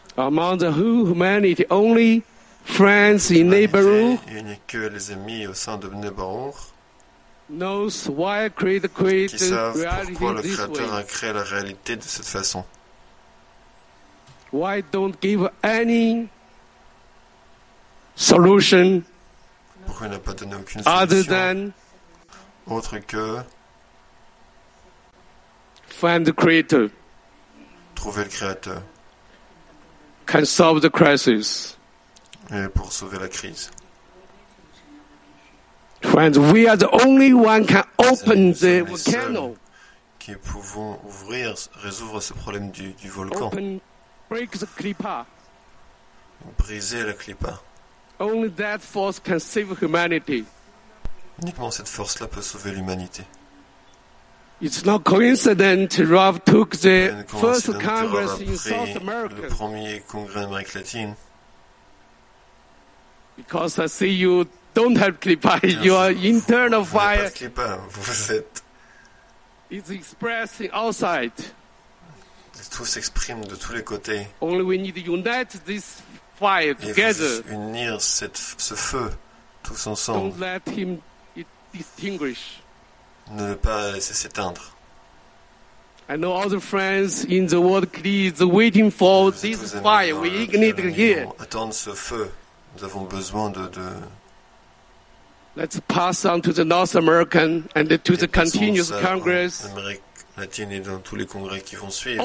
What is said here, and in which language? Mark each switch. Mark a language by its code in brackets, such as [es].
[en] Among the whole humanity, only friends in neighborhood. [fr] Il n'y a que les amis au sein de neighborhood. [en] Knows why create the creator. [fr] Qui savent pourquoi le créateur a créé la réalité de cette façon. [en] Why don't give any solution? [fr] Pourquoi il n'a pas donné aucune solution? Autre que [en] find the creator. [fr] Trouver le créateur. [en] Can solve the crisis. [fr] Et pour sauver la crise. [en] Friends, we are the only one can open the volcano. [fr] Qui pouvons ouvrir, résoudre ce problème du volcan. [en] Open, break the clipa. [fr] Briser la clipa. [en] Only that force can save humanity. [fr] Uniquement cette force-là peut sauver l'humanité. [en] It's not coincident Rav took the first congress in South America. [fr] Le premier congrès d'Amérique latine. [en] Because I see you don't have clipa, you are internal fire. [fr] Pas de clipa, vous êtes. [en] It's expressing outside. [fr] Tout s'exprime de tous les côtés. [en] Only we need to unite this fire together. [fr] Il faut unir ce feu tous ensemble. [en] Don't let him extinguish. [fr] Ne pas laisser s'éteindre. [en] I know all the friends in the world is waiting for this fire. We need to hear. [fr] Attendre ce feu. Nous avons besoin de. [en] Let's pass on to the North American and to the continuous Congress. [fr] Amérique latine et dans tous les congrès qui vont suivre.